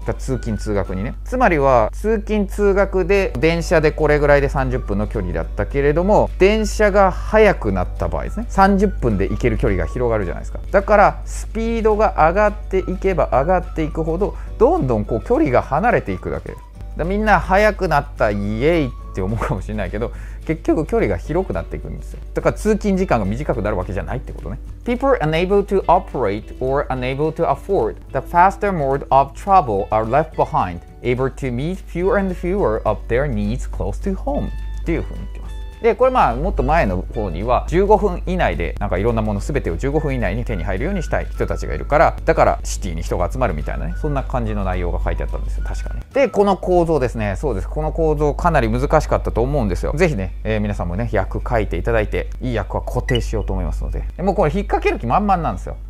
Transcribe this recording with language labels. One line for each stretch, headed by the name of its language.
Japanese: だ通勤通学にね、つまりは通勤通学で電車でこれぐらいで30分の距離だったけれども、電車が速くなった場合ですね、30分で行ける距離が広がるじゃないですか。だからスピードが上がっていく、行けば上がっていくほどどんどんこう距離が離れていくだけだ。みんな速くなったイエイって思うかもしれないけど、結局距離が広くなっていくんですよ。だから通勤時間が短くなるわけじゃないってことね。
English: People are unable to operate or unable to afford the faster mode of travel are left behind, able to meet fewer and fewer of their needs close to home
Japanese: っていう風に言ってます。でこれまあもっと前の方には15分以内でなんかいろんなもの全てを15分以内に手に入るようにしたい人たちがいるから、だからシティに人が集まるみたいなね、そんな感じの内容が書いてあったんですよ確かね。でこの構造ですね、そうです、この構造かなり難しかったと思うんですよ。ぜひね、皆さんもね役書いていただいて、いい役は固定しようと思いますの でもうこれ引っ掛ける気満々なんですよ。